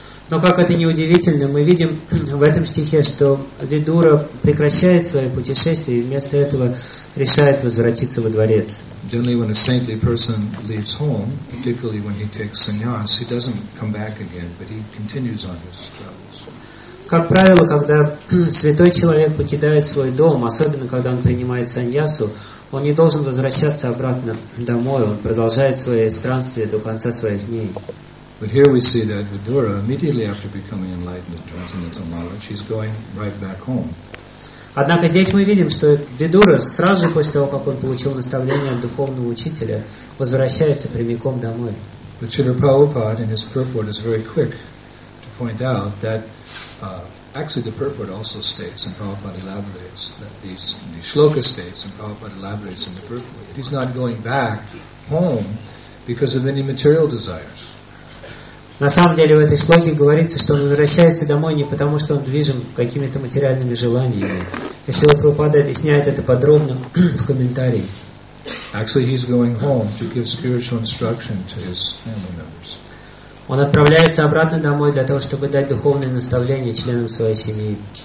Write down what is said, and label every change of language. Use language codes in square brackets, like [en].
[ru] Но как это не удивительно, мы видим в этом стихе, что Видура прекращает свое путешествие и вместо этого решает возвратиться во дворец. [en] Generally, when a saintly person leaves home, particularly when he takes sannyas, he doesn't come back again, but he continues on his travels. [ru] Как правило, когда святой человек покидает свой дом, особенно когда он принимает саньясу, он не должен возвращаться обратно домой, он продолжает свои странствия до конца своих дней. [en] But here we see that Vidura, immediately after becoming enlightened and transcendental knowledge, he's going right back home. [ru] Однако здесь мы видим, что Видура сразу после того, как он получил наставление от духовного учителя, возвращается прямиком домой. [en] But Srila Prabhupada in his purport is very quick to point out that actually the purport also states, and Prabhupada elaborates, that the shloka states, and Prabhupada elaborates in the purport, that he's not going back home because of any material desires. [ru] На самом деле в этой слоге говорится, что он возвращается домой не потому, что он движим какими-то материальными желаниями. Шрила Прабхупада объясняет это подробно в комментарии. [en] Actually, he's going home to give spiritual instruction to his family members. [ru] Он отправляется обратно домой для того, чтобы дать духовное наставление членам своей семьи.